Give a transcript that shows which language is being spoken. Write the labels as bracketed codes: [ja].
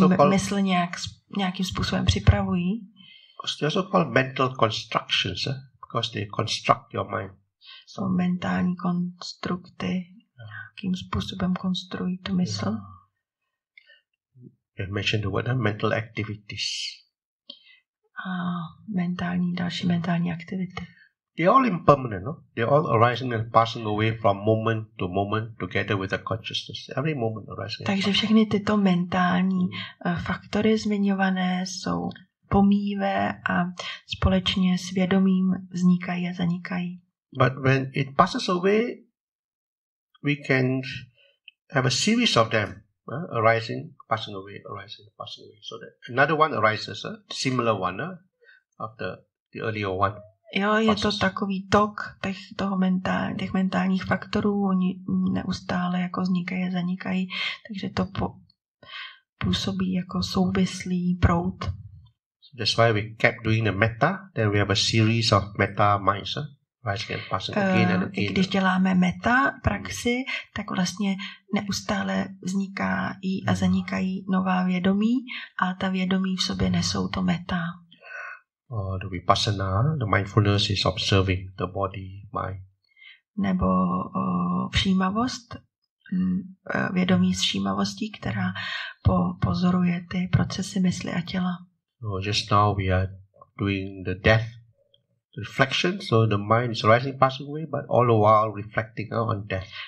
[cs] Mysl nějakým způsobem připravují. [en] They also call mental constructions, because they construct your mind. [cs] Jsou mentální konstrukty, nějakým způsobem konstruují tu mysl. [en] You mentioned the word mental activities. [cs] A mentální, další mentální aktivity. [en] They're all impermanent, no? They're all arising and passing away from moment to moment together with the consciousness. Every moment arising. [cs] Takže všechny tyto mentální faktory zmiňované jsou pomíjivé a společně s vědomím vznikají a zanikají. [en] But when it passes away, we can have a series of them. Arising, passing away, arising, passing away. So that another one arises, similar one, after the earlier one. [cs] Jo, je to takový tok těch mentálních faktorů, oni neustále jako vznikají a zanikají, takže to působí jako souvislý proud. [en] So that's why we kept doing the metta, then we have a series of metta minds, arising and passing again and again. [cs] I když děláme metta praxi, tak vlastně neustále vznikají a zanikají nová vědomí, a ta vědomí v sobě nesou to metta. [en] The vipassana, the mindfulness is observing the body, mind. [cs] Nebo všímavost, vědomí s všímavostí, která pozoruje ty procesy mysli a těla. [en] So just now we are doing the death reflection, so the mind is rising, passing away, but all the while reflecting on death.